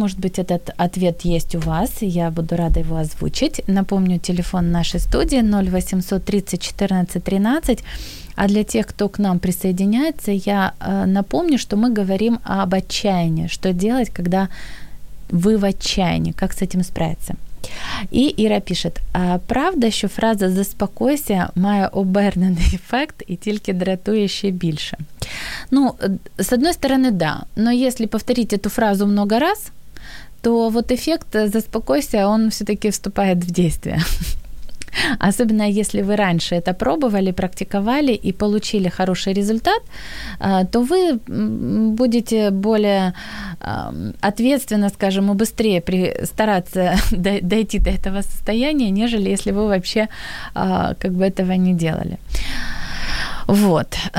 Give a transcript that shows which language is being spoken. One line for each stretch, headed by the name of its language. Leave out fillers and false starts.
Russian: Может быть, этот ответ есть у вас, и я буду рада его озвучить. Напомню, телефон нашей студии 0800 30 14 13. А для тех, кто к нам присоединяется, я напомню, что мы говорим об отчаянии. Что делать, когда вы в отчаянии? Как с этим справиться? И Ира пишет:
Ukrainian: «А правда, що фраза «заспокойся» має обернений ефект і тільки дратує ще більше?»
Russian: Ну, с одной стороны, да. Но если повторить эту фразу много раз, то вот эффект «заспокойся», он все-таки вступает в действие. Особенно если вы раньше это пробовали, практиковали и получили хороший результат, то вы будете более ответственно, скажем, и быстрее стараться дойти до этого состояния, нежели если вы вообще как бы этого не делали. Вот.